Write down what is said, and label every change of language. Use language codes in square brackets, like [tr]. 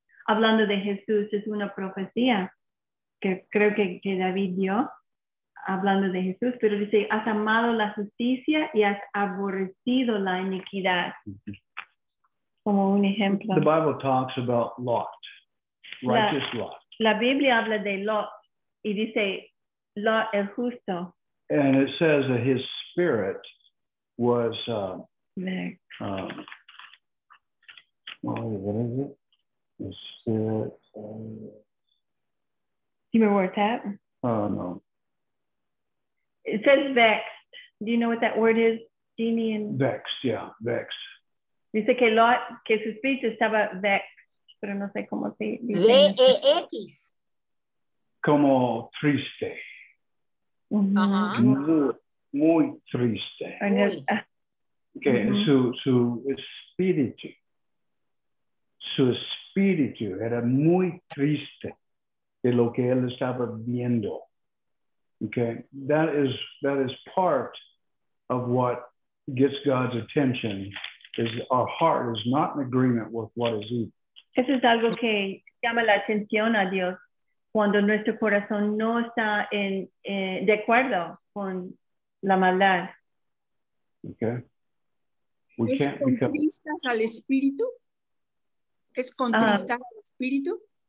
[es] Hablando de Jesús, es una profecía que creo que David dio, hablando de Jesús, pero dice, has amado la justicia y has aborrecido la iniquidad. Como un ejemplo. [en] The Bible talks about Lot, righteous Lot. [es] La Biblia habla de Lot, y dice, Lot el justo. [en] And it says that his spirit was, what is it? His spirit. Do you remember where it's at? No. It says vexed. Do you know what that word is, Jeannie? And vexed, yeah, vexed. [es] Dice que Lot, que su espíritu estaba vexed, pero no sé cómo se dice. V-E-X. Como triste. Uh-huh. Muy triste. Okay, uh-huh. Su espíritu era muy triste de lo que él estaba viendo. [en] Okay, that is part of what gets God's attention, is our heart is not in agreement with what is evil. [es] Eso es algo que llama la atención a Dios. Cuando nuestro corazón no está de acuerdo con la maldad. [en] Okay. [es] ¿Contristas al espíritu? ¿Es contristar al espíritu?